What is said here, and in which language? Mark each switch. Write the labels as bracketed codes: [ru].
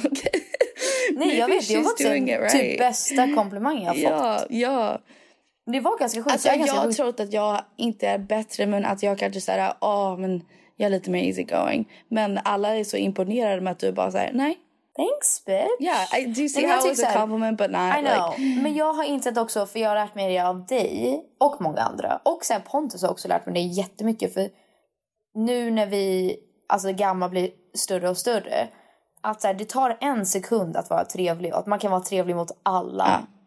[en] Okay. [sv] Nej, jag vet, det var typ bästa komplimang jag har fått. Ja, ja. Det var ganska sjukt. Alltså, jag har trott att jag inte är bättre, men att jag kanske så här, men jag är lite mer easygoing. Men alla är så imponerade med att du bara säger nej. [en] Thanks, bitch. Yeah, I do see how it's a compliment, but not, I know. Like... [sv] Men jag har insett också, för jag har lärt mig det av dig och många andra. Och sen Pontus har också lärt mig det jättemycket, för nu när vi, alltså gamla blir större och större, att så här, det tar en sekund att vara trevlig, och att man kan vara trevlig mot alla. Yeah.